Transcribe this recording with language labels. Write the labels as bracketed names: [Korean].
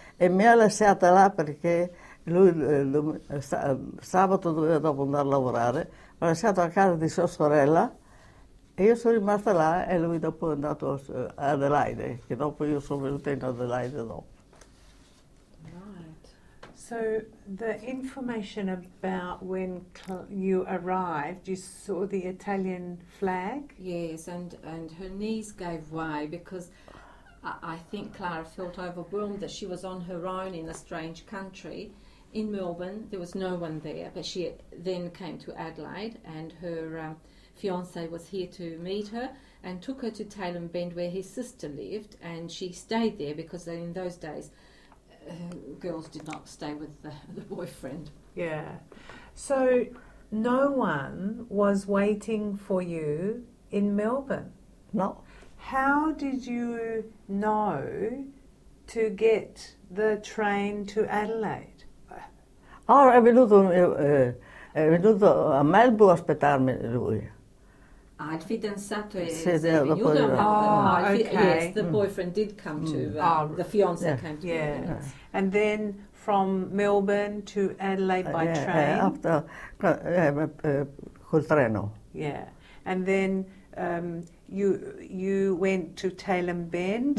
[Italian] E mi ha lasciata là perché lui sabato doveva dopo andare a lavorare, mi ha lasciato a casa di sua sorella e io sono rimasta là e lui dopo è andato a Adelaide, che dopo io sono venuta in Adelaide dopo. [English] So the information about when you arrived, you saw the Italian flag? Yes, and her knees gave way because I think Clara felt overwhelmed that she was on her own in a strange country. In Melbourne, there was no one there, but she then came to Adelaide and her fiancé was here to meet her and took her to Talon Bend where his sister lived, and she stayed there because in those days, girls did not stay with the boyfriend. Yeah. So no one was waiting for you in Melbourne? No. How did you know to get the train to Adelaide? [Italian] Oh, è venuto a Melbourne a aspettarmi lui. Ah, il fidanzato è sì, venuto. [English] Oh, okay. Yes, the boyfriend did come to, the fiancé yeah. came to yeah. Yeah. And then from Melbourne to Adelaide by train? [Italian] Col treno. [English] Yeah, and then you went to Talon Bend,